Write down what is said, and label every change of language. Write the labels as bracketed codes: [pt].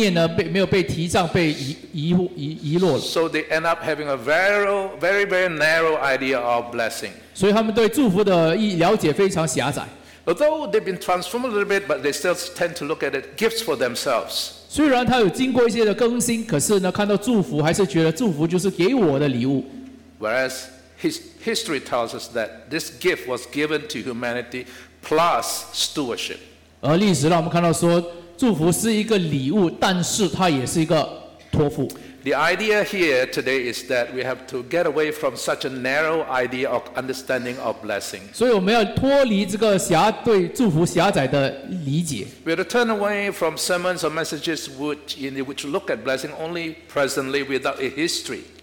[zh] 从咒诅得到自由的这个观念呢，没有被提倡，被遗落了。 [en] So they end up having a very, very, very narrow idea of blessing. [zh] 所以他们对祝福的了解非常狭窄。 [en] Although they've been transformed a little bit, but they still tend to look at it gifts for themselves. [zh] 虽然他有经过一些的更新，可是呢，看到祝福还是觉得祝福就是给我的礼物。 [en] Whereas history tells us that this gift was given to humanity plus stewardship. [zh] 而历史让我们看到说，祝福是一个礼物，但是它也是一个托付。 [en] The idea here today is that we have to get away from such a narrow idea of understanding of blessing. [zh] 所以我们要脱离这个对祝福狭窄的理解。 [en] We have to turn away from sermons or messages which look at blessing only presently without a history.